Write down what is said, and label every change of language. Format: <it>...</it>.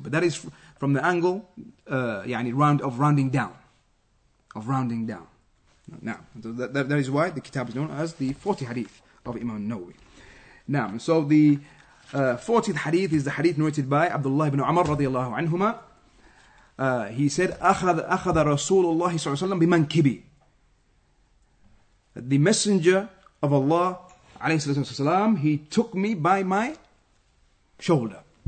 <en>But that is from the angle rounding down. Now, that is why the kitab is known as the 40 hadith of Imam Nawawi. Now, so the 40th hadith is the hadith narrated by Abdullah ibn Umar radiallahu anhuma.</en> <ar>He said, أَخَذَ رَسُولُ اللَّهِ صَلَّى اللَّهُ عَلَيْهِ وَسَلَّمَ بِمَنْكِبِي.</ar> <en>The messenger of Allah, he took me by my shoulder.</en>